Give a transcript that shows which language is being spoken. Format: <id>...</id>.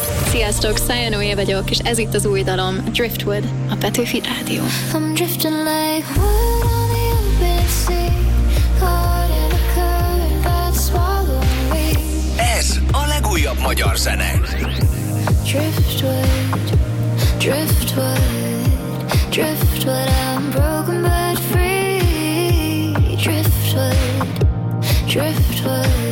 <hu>Sziasztok, Szia Noé vagyok, és ez itt az új dalom, Driftwood, a Petőfi Rádió.</hu> <en>I'm drifting like wood on the open sea, in a current that's swallowing me.</en> <hu>Ez a legújabb magyar zene.</hu> <en>Driftwood, driftwood, driftwood, I'm broken but free. Driftwood, driftwood.</en>